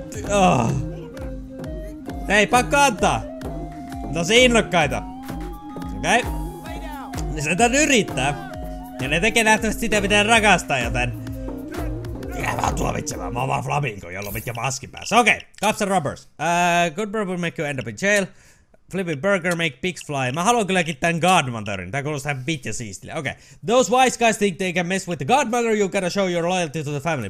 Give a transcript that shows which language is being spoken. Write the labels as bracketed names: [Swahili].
[Finnish] Oh. Hei, pakko antaa! Tosi innokkaita! Okei. Okay. Ne sentään yrittää. Ja ne tekee nähtävästi sitä, mitä ne rakastaa, joten... Jää vaan tuomitsemaan, mä oon vaan flamingo, jolla on vittu maski päässä. [English] Okei, okay. Cops and robbers. Good brother make you end up in jail. Flippin' burger make pigs fly. [Finnish] Mä haluan kylläkin tän godmotherin. Tää kuulostaa ihan vittu siistille. Okei. Okay. [English] Those wise guys think they can mess with the godmother. You gotta show your loyalty to the family.